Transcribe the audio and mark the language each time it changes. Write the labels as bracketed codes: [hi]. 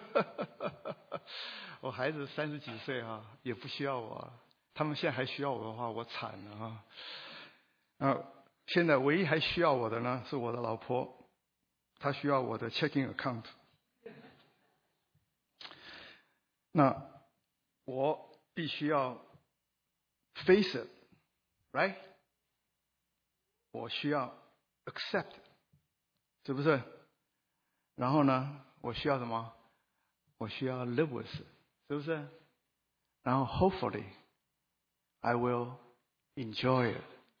[zh] 我孩子30几岁啊，也不需要我，他们现在还需要我的话，我惨了啊。现在唯一还需要我的呢，是我的老婆，她需要我的 checking account。那我。必须要 [en] face it, right? [zh] 我需要 [en] accept, [zh] 是不是？然后呢，我需要什么？我需要 [en] live with, [zh] 是不是？然后 [en] hopefully I will enjoy it.